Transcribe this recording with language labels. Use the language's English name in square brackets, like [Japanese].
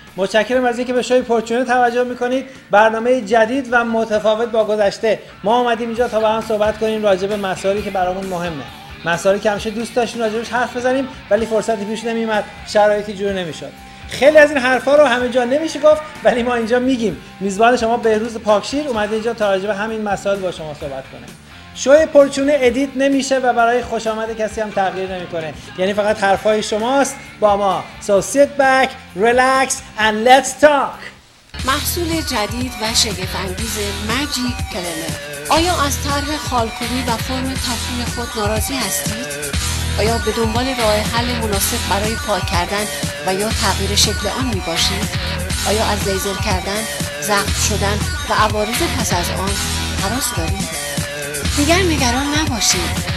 [Persian] متشکرم از اینکه به شای پرچونه توجه میکنید. برنامه جدید و متفاوت با گذشته، ما اومدیم اینجا تا با هم صحبت کنیم راجع به مسائلی که برامون مهمه، مسائلی که همیشه دوست داشتیم راجعش حرف بزنیم ولی فرصتی پیش نمیومد، شرایطی جور نمیشد. خیلی از این حرفا رو همه جا نمیشه گفت ولی ما اینجا میگیم. میزبان شما بهروز پاکشیر اومده اینجا تا راجع به همین مسائل با شما صحبت کنه. شوی پرچونه ادیت نمیشه و برای خوش آمد کسی هم تغییر نمیکنه. یعنی فقط حرفای شماست با ما. [English] So sit back, relax and let's talk. [Persian] محصول جدید و شگفت انگیز ماجیک کلنر. آیا از طرح خالکوبی و فرم تفریح خود ناراضی هستید؟ آیا به دنبال راه حل مناسب برای پاک کردن و یا تغییر شکل آن میباشید؟ آیا از لیزر کردن، زخم شدن و عوارض پس از آن حراس دارید؟ دیگر نگران نباشید.